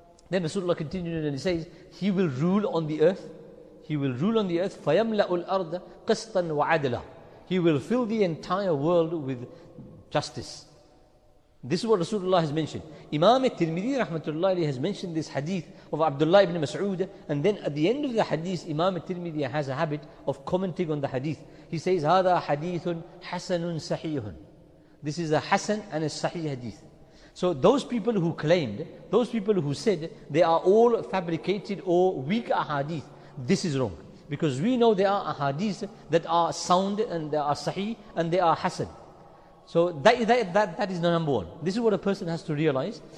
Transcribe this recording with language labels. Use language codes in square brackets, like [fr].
[en] Then Rasulullah continued and he says, he will rule on the earth, [ar] فَيَمْلَأُ الْأَرْضَ قِسْطًا وَعَدْلًا. [en] He will fill the entire world with justice. This is what Rasulullah has mentioned. Imam al-Tirmidhi rahmatullahi has mentioned this hadith of Abdullah ibn Mas'ud, and then at the end of the hadith, Imam al-Tirmidhi has a habit of commenting on the hadith. He says, [ar] هَذَا حَدِيثٌ حَسَنٌ صَحِيحٌ. [en] This is a hasan and a sahih hadith. So those people who said they are all fabricated or weak ahadith, this is wrong. Because we know there are ahadith that are sound and they are sahih and they are hasan. So that is the number one. This is what a person has to realize.